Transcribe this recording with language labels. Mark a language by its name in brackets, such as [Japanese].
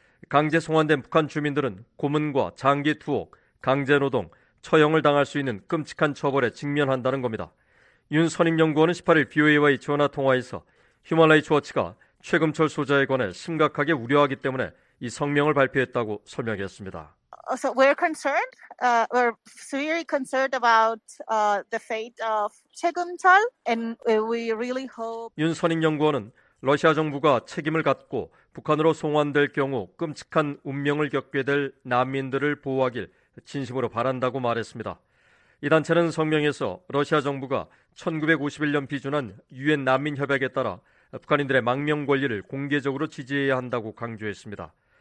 [Korean] 강제 송환된 북한 주민들은 고문과 장기 투옥, 강제 노동, 처형을 당할 수 있는 끔찍한 처벌에 직면한다는 겁니다. 윤선임 연구원은 18일 BOA와의 전화 통화에서 휴먼라이츠워치가 최금철 소재에 관해 심각하게 우려하기 때문에 이 성명을 발표했다고 설명했습니다. [English] So we're concerned. We're severely concerned about the fate of 최금철, and we really hope. [Korean] 윤선임 연구원은 러시아 정부가 책임을 갖고 북한으로 송환될 경우 끔찍한 운명을 겪게 될 난민들을 보호하길 진심으로 바란다고 말했습니다. 이 단체는 성명에서 러시아 정부가 1951년 비준한 유엔 난민 협약에 따라 북한인들의 망명 권리를 공개적으로 지지해야 한다고 강조했습니다.